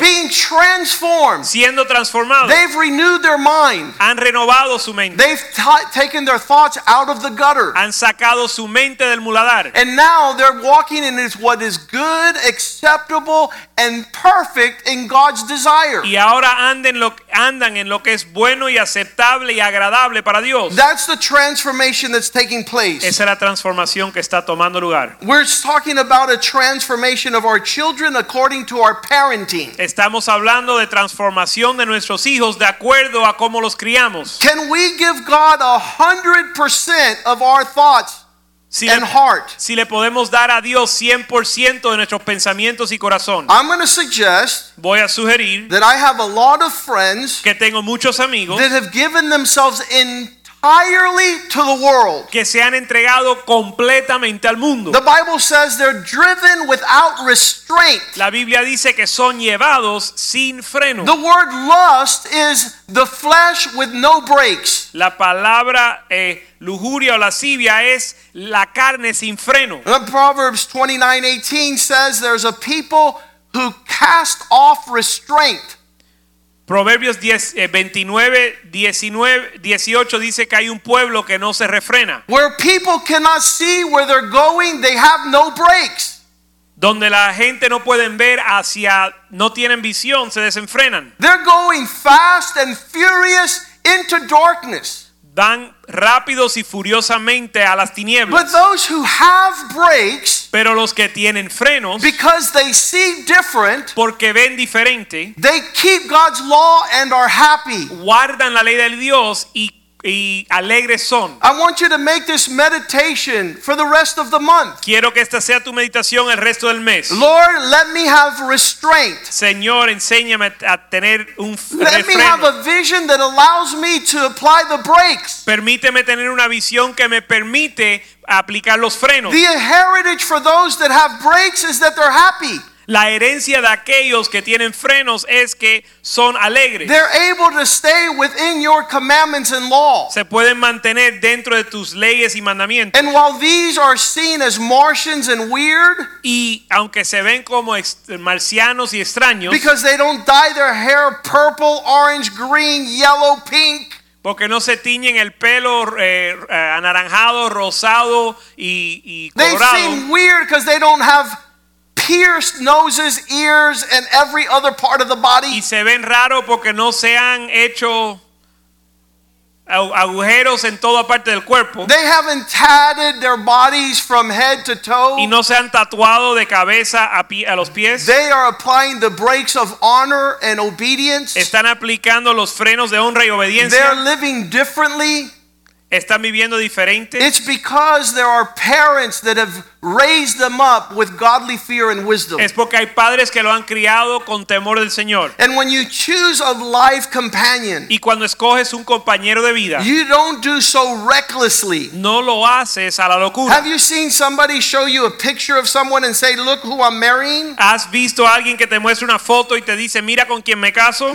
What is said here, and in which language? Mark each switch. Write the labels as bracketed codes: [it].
[en] Being transformed. [es] Siendo transformados. [en] They've renewed their mind. [es] Han renovado su mente. [en] They've taken their thoughts out of the gutter. [es] Han sacado su mente del muladar. [en] And now they're walking in what is good, acceptable, and perfect in God's desire. [es] Y ahora andan en lo que es bueno y aceptable y agradable para Dios. [en] That's the transformation that's taking place. [es] Esa es la transformación que está tomando lugar. [en] We're talking about a transformation of our children according to our parenting. [es] Estamos hablando de transformación de nuestros hijos de acuerdo a cómo los criamos. [en] Can we give God 100% of our thoughts and heart? [es] Si le podemos dar a Dios 100% de nuestros pensamientos y corazón. [en] I'm going to suggest, [es] voy a sugerir, [en] that I have a lot of friends, [es] que tengo muchos amigos, [en] that have given themselves entirely to the world, [es] que se han entregado completamente al mundo. [en] The Bible says they're driven without restraint. [es] La Biblia dice que son llevados sin freno. [en] The word lust is the flesh with no brakes. [es] La palabra lujuria o lascivia es la carne sin freno. [en] Proverbs 29:18 says there's a people who cast off restraint. [es] Proverbios 29:18 dice que hay un pueblo que no se refrena. [en] Where people cannot see where they're going, they have no brakes. [es] Donde la gente no pueden ver hacia, no tienen visión, se desenfrenan. [en] They're going fast and furious into darkness. [es] Van rápidos y furiosamente a las tinieblas. [en] But those who have brakes, [es] pero los que tienen frenos, [en] because they see different, [es] porque ven diferente, [en] they keep God's law and are happy. [es] Guardan la ley de Dios y alegres son. [en] I want you to make this meditation for the rest of the month. [es] Quiero que esta sea tu meditación el resto del mes. [en] Lord, let me have restraint. [es] Señor, enséñame a tener un freno. [en] Let me have a vision that allows me to apply the brakes. [es] Permíteme tener una visión que me permite aplicar los frenos. [en] The heritage for those that have brakes is that they're happy. [es] La herencia de aquellos que tienen frenos es que son alegres. [en] They're able to stay within your commandments and law. [es] Se pueden mantener dentro de tus leyes y mandamientos. [en] And while these are seen as Martians and weird, [es] y aunque se ven como marcianos y extraños, [en] because they don't dye their hair purple, orange, green, yellow, pink, [es] porque no se tiñen el pelo anaranjado, rosado y colorado. [en] They seem weird because they don't have pierced noses, ears, and every other part of the body. [es] Y se ven raro porque no se han hecho agujeros en toda parte del cuerpo. [en] They haven't tatted their bodies from head to toe. [es] Y no se han tatuado de cabeza a los pies. [en] They are applying the brakes of honor and obedience. [es] Están aplicando los frenos de honra y obediencia. [en] They're living differently. [es] Están viviendo diferente. [en] It's because there are parents that have raised them up with godly fear and wisdom. [es] Es porque hay padres que lo han criado con temor del Señor. [en] And when you choose a life companion, [es] y cuando escoges un compañero de vida, [en] you don't do so recklessly. [es] No lo haces a la locura. [en] Have you seen somebody show you a picture of someone and say, "Look who I'm marrying"? [es] ¿Has visto a alguien que te muestra una foto y te dice, "Mira con quién me caso"?